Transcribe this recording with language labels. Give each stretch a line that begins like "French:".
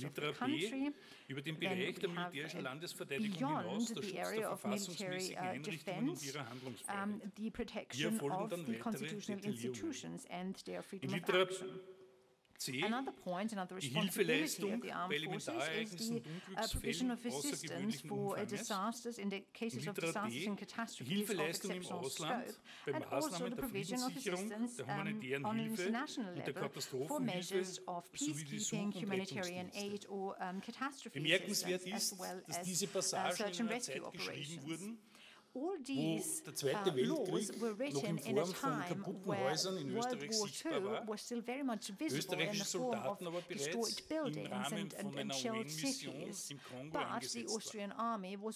German: Litera B, über den Bereich der militärischen Landesverteidigung hinaus der Schutz der verfassungsmäßigen Einrichtungen und ihrer Handlungsfreiheit. Hier folgen dann weitere Detaillierungen. In Litera C.
English: Another point, another responsibility of the armed forces is the provision of assistance for disasters in the cases of disasters and catastrophes of exceptional scope,
German: bemerkenswert ist, dass diese Passagen in einer Zeit geschrieben wurden,
English: all these
German: wo der Zweite Weltkrieg noch in Form von kaputten Häusern in Österreich sichtbar war, österreichische Soldaten aber bereits im Rahmen von einer UN-Mission im Kongo eingesetzt waren.